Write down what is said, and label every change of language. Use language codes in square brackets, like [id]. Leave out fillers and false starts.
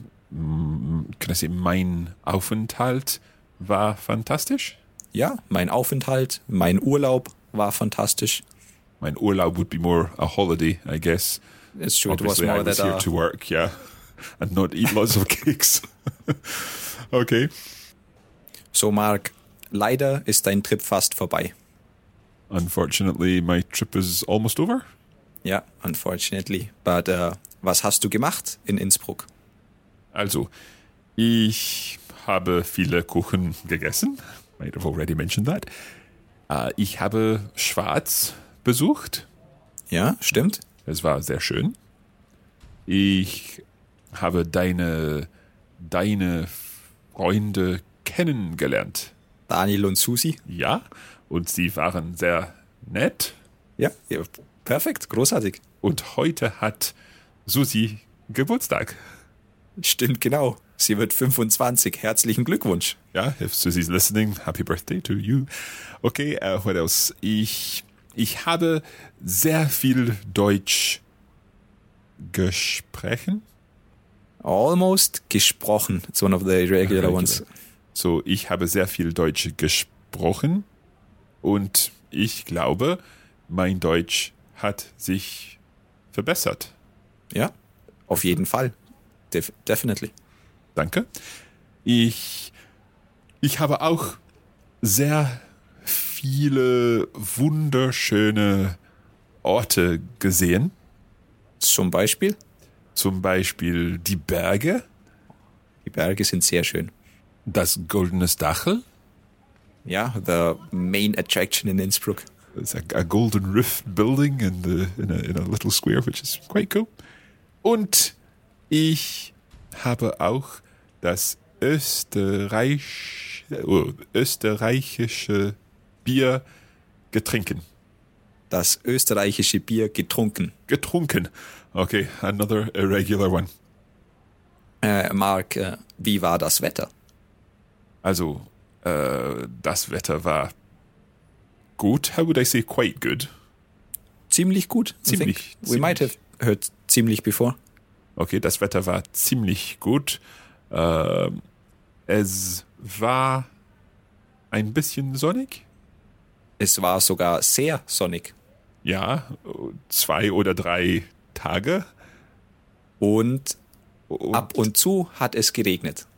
[en] Can I say [de] mein Aufenthalt war fantastisch? Ja, mein Aufenthalt, mein Urlaub war fantastisch. Mein Urlaub [en] would be more a holiday, I guess. It's true. Obviously, it was more I was that, here to work, yeah, and not eat lots of cakes. Okay. [de] So, Mark, leider ist dein Trip fast vorbei. [en] Unfortunately, my trip is almost over. Yeah, unfortunately. But [de] was hast du gemacht in Innsbruck? Also, ich habe viele Kuchen gegessen. [en] Might have already mentioned that. [de] Ich habe Schwarz besucht. Ja, stimmt. Es war sehr schön. Ich habe deine Freunde kennengelernt. Daniel und Susi. Ja, und sie waren sehr nett. Ja, ja, perfekt, großartig. Und heute hat Susi Geburtstag. Stimmt, genau. Sie wird 25. Herzlichen Glückwunsch. [en] Ja, if Susi's listening, happy birthday to you. Okay, what else? [de] Ich habe sehr viel Deutsch gesprochen. [en] Almost gesprochen. It's one of the irregular ones. [de] So, ich habe sehr viel Deutsch gesprochen und ich glaube, mein Deutsch hat sich verbessert. Ja, auf jeden Fall. Definitely. Danke. Ich habe auch sehr viele wunderschöne Orte gesehen. Zum Beispiel? Zum Beispiel die Berge. Die Berge sind sehr schön. Das Goldene Dachl. [en] Ja, the main attraction in Innsbruck. It's a golden roof building in a little square, which is quite cool. [de] Und ich habe auch das österreichische Bier getrunken. Das österreichische Bier getrunken. Getrunken. [en] Okay, another irregular one. [de] Mark, wie war das Wetter? Also, das Wetter war gut. [en] How would I say quite good? [de] Ziemlich gut. Ziemlich. [en] We might have heard ziemlich before. [de] Okay, das Wetter war ziemlich gut. Es war ein bisschen sonnig. Es war sogar sehr sonnig. Ja, 2 oder 3 Tage. Und ab und zu hat es geregnet.